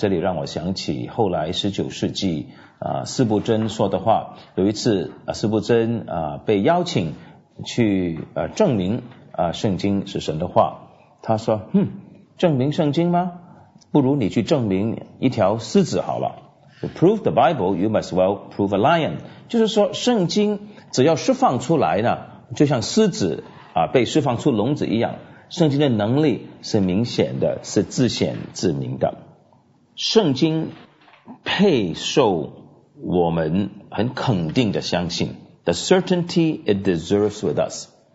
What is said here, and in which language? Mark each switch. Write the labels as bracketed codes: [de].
[zh] 这里让我想起后来19世纪斯布珍说的话。有一次斯布珍被邀请去证明圣经是神的话。他说证明圣经吗？不如你去证明一条狮子好了。 [en] To prove the Bible, you must well prove a lion. [zh] 就是说圣经只要释放出来呢，就像狮子被释放出笼子一样，圣经的能力是明显的，是自显自明的。圣经配受我们很肯定的相信 ， [en] the certainty it deserves with us。